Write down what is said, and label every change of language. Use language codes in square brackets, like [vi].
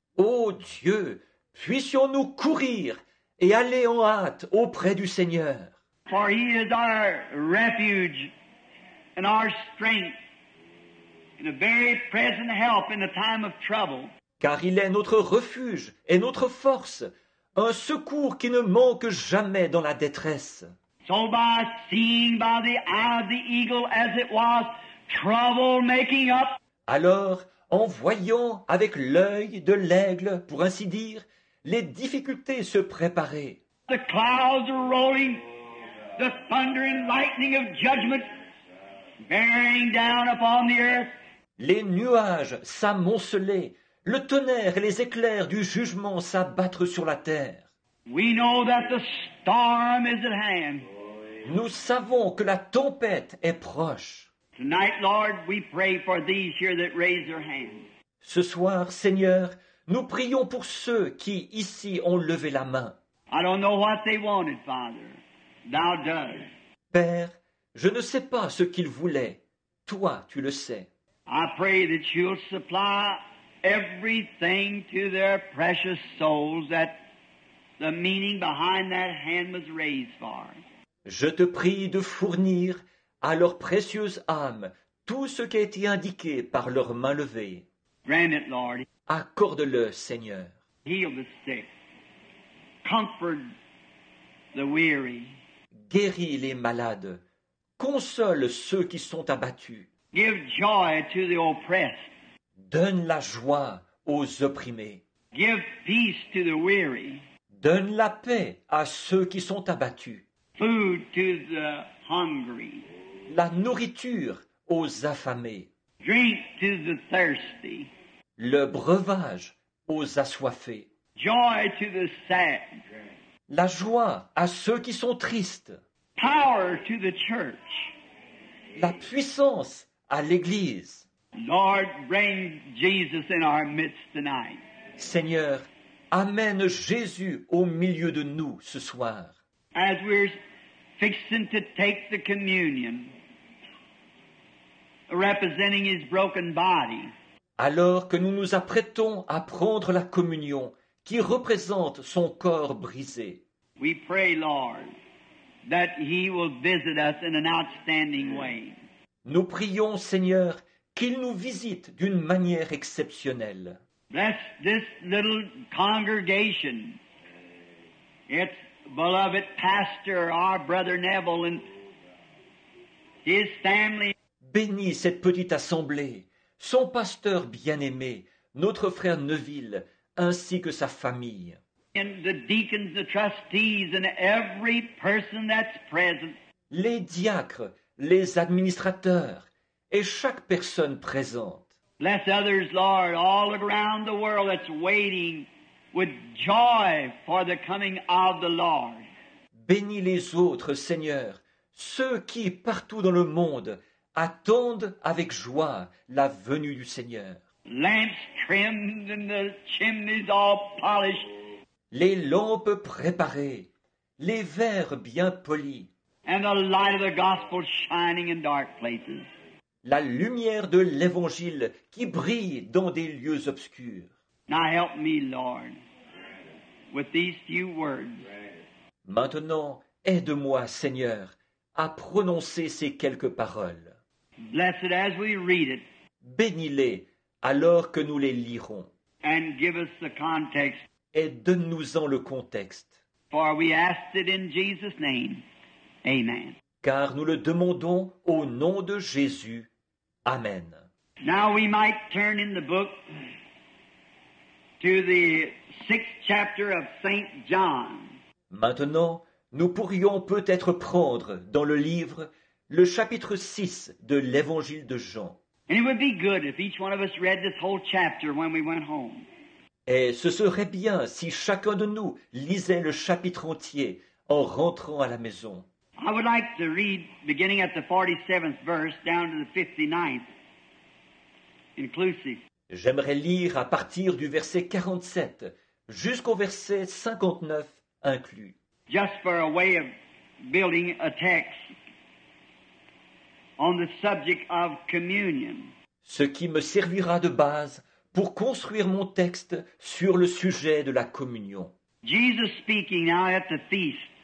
[fr] Oh Dieu, puissions-nous courir et aller en hâte auprès du Seigneur. [en] For he is our refuge and our strength and a very present help in a time of trouble. [fr] Car il est notre refuge et notre force, un secours qui ne manque jamais dans la détresse. [en] So by seeing by the eye of the eagle as it was, trouble making up. [fr] Alors, en voyant avec l'œil de l'aigle, pour ainsi dire, les difficultés se préparer. [en] The clouds are rolling, the thunder and lightning of judgment bearing down upon the earth. [fr] Les nuages s'amonceler, le tonnerre et les éclairs du jugement s'abattre sur la terre. [en] We know that the storm is at hand. [fr] Nous savons que la tempête est proche. [en] Tonight, Lord, we pray for these here that raise their hands. [fr] Ce soir, Seigneur, nous prions pour ceux qui ici ont levé la main. [en] I don't know what they wanted, Father. Thou dost. [fr] Père, je ne sais pas ce qu'ils voulaient. Toi, tu le sais. [en] I pray that you'll supply everything to their precious souls that the meaning behind that hand was raised for. [fr] Je te prie de fournir à leur précieuse âme tout ce qui a été indiqué par leur main levée. [en] Grant it, Lord. [fr] Accorde-le, Seigneur. [en] Heal the sick. Comfort the weary. [fr] Guéris les malades. Console ceux qui sont abattus. [en] Give joy to the oppressed. [fr] Donne la joie aux opprimés. [en] Give peace to the weary. [fr] Donne la paix à ceux qui sont abattus. [en] Food to the hungry. [fr] La nourriture aux affamés. [en] Drink to the thirsty. [fr] Le breuvage aux assoiffés. [en] Joy to the sad. [fr] La joie à ceux qui sont tristes. [en] Power to the church. [fr] La puissance à l'église. [en] Lord, bring Jesus in our midst tonight. [fr] Seigneur, amène Jésus au milieu de nous ce soir. [en] As we're fixing to take the communion, representing his broken body. [fr] Alors que nous nous apprêtons à prendre la communion qui représente son corps brisé. [en] We pray, Lord, that he will visit us in an outstanding way. [fr] Nous prions, Seigneur, qu'il nous visite d'une manière exceptionnelle. [en] Bless this little congregation. Its beloved pastor, our brother Neville, and his family. [fr] Bénis cette petite assemblée, son pasteur bien-aimé, notre frère Neville, ainsi que sa famille. [en] And the deacons, the trustees, and every person that's present. [fr] Les diacres, les administrateurs, et chaque personne présente. [en] Bless others, Lord, all around the world that's waiting with joy for the coming of the Lord. [fr] Bénis les autres, Seigneur, ceux qui, partout dans le monde, attendent avec joie la venue du Seigneur. [en] Lamps trimmed and the chimneys all polished. [fr] Les lampes préparées, les verres bien polis. [en] And the light of the gospel shining in dark places. [fr] La lumière de l'Évangile qui brille dans des lieux obscurs. [en] Now help me, Lord, with these few words. [fr] Maintenant, aide-moi, Seigneur, à prononcer ces quelques paroles. [en] Blessed as we read it. [fr] Bénis-les alors que nous les lirons. [en] And give us the context. [fr] Et donne-nous-en le contexte. [en] For we ask it in Jesus' name. Amen. [fr] Car nous le demandons au nom de Jésus. Amen. [en] Now we might turn in the book to the sixth chapter of Saint John. [fr] Maintenant, nous pourrions peut-être prendre dans le livre le chapitre 6 de l'Évangile de Jean. [en] And it would be good if each one of us read this whole chapter when we went home. [fr] Et ce serait bien si chacun de nous lisait le chapitre entier en rentrant à la maison. [en] I would like to read, beginning at the 47th verse, down to the 59th, inclusive. [fr] J'aimerais lire à partir du verset 47 jusqu'au verset 59 inclus. [en] Just for a way of building a text. on the subject of communion. [fr] Ce qui me servira de base pour construire mon texte sur le sujet de la communion. [en] Jesus speaking now at the feast.